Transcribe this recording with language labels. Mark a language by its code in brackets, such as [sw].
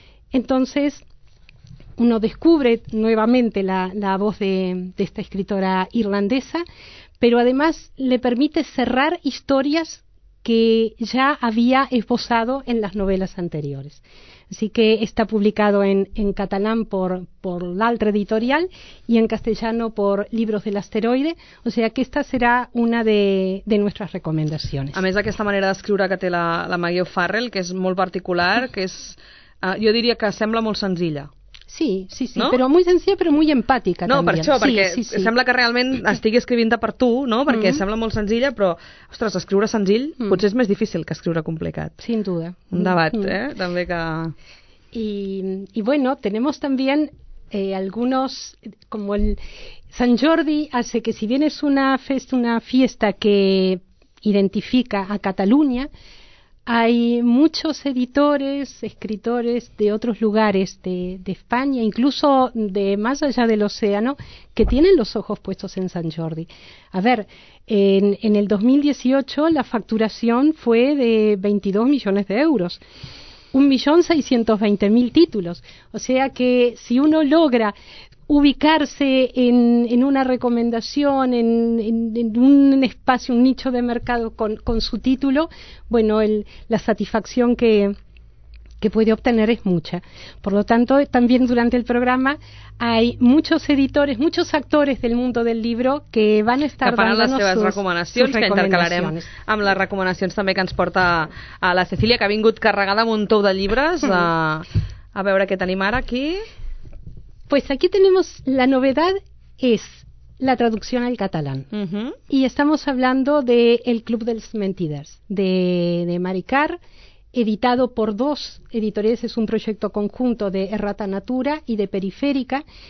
[es] Entonces, uno descubre nuevamente la voz de esta escritora irlandesa, pero además le permite cerrar historias que ya había esbozado en las novelas anteriores. Así que está publicado en catalán por L'Altra Editorial y en castellano por Libros del Asteroide. O sea que esta será una de nuestras recomendaciones. [ca] A més, aquesta manera d'escriure que té la Maggie O'Farrell, que és molt particular, que és, jo diria que sembla molt senzilla. Sí, sí, sí, no? Però molt senzilla, però molt empàtica. No, també. Per això, perquè sí. Sembla que realment estigui escrivint-te per tu, no? Perquè sembla molt senzilla, però, ostres, escriure senzill potser és més difícil que escriure complicat. [es] Sin duda. [ca] Un debat, també que... [es] I, bueno, tenemos también algunos, como el San Jordi hace que si bien es una fiesta que identifica a Cataluña, hay muchos editores, escritores de otros lugares de España, incluso de más allá del océano, que tienen los ojos puestos en San Jordi. A ver, en el 2018 la facturación fue de 22 millones de euros, 1.620.000 títulos. O sea que si uno logra ubicarse en una recomendación, en un espacio, un nicho de mercado con su título, bueno, la satisfacción que puede obtener es mucha. Por lo tanto, también durante el programa hay muchos editores, muchos actores del mundo del libro que van a estar dando [ca] las seves recomanacions, que intercalarem amb les recomanacions també que ens porta a la Cecília, que ha vingut carregada amb un tou de llibres. A veure què tenim ara aquí. [es] Pues aquí tenemos la novedad, es la traducción al catalán. Uh-huh. Y estamos hablando de El Club de los Mentiders, de Mari Carr, editado por dos editoriales. Es un proyecto conjunto de Errata Natura y de Periférica.